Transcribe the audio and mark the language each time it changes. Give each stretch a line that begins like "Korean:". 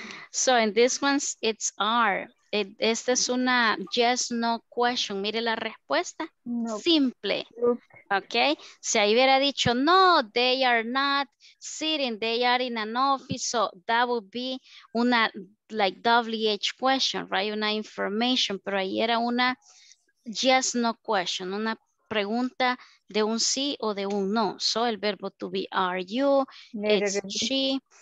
English: So in this one, it's R.
Spanish: Esta es una
English: yes, no question.
Spanish: Mire la respuesta. No.
English: Simple. Ok.
Spanish: Si ahí hubiera dicho no,
English: they are not sitting, they are in an office. So that would be una like WH question, right?
Spanish: Una information. Pero ahí era una
English: yes, no question.
Spanish: Una pregunta de un sí o de un no.
English: So
Spanish: el verbo
English: to be are you, it's she.